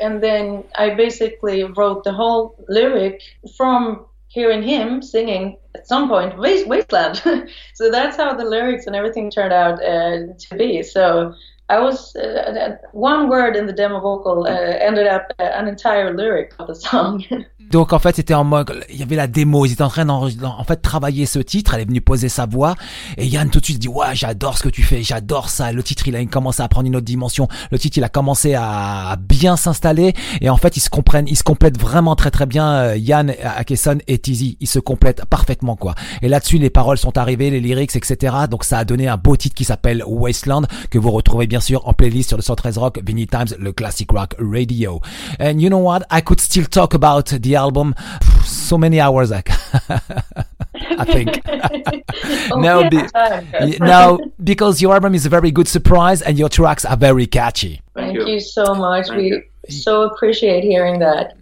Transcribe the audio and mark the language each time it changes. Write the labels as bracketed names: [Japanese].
[English] And then I basically wrote the whole lyric from hearing him singing at some point, Wasteland. So that's how the lyrics and everything turned out to be. So I was, one word in the demo vocal ended up an entire lyric of the song. [French] Donc en fait c'était en mode, il y avait la démo, ils étaient en train en fait travailler ce titre, elle est venue poser sa voix et Yann tout de suite dit ouais j'adore ce que tu fais, j'adore ça, le titre il a commencé à prendre une autre dimension, le titre il a commencé à bien s'installer et en fait ils se complètent vraiment très très bien, Yann Akeson et Tizzy, ils se complètent parfaitement quoi, et là dessus les paroles sont arrivées, les lyrics etc, donc ça a donné un beau titre qui s'appelle Wasteland que vous retrouvez bien sûr en playlist sur le 113 Rock, Vinnie Times, le Classic Rock Radio. [English] And you know what, I could still talk about the album so many hours I think. now because your album is a very good surprise and your tracks are very catchy. Thank you so much. So appreciate hearing that.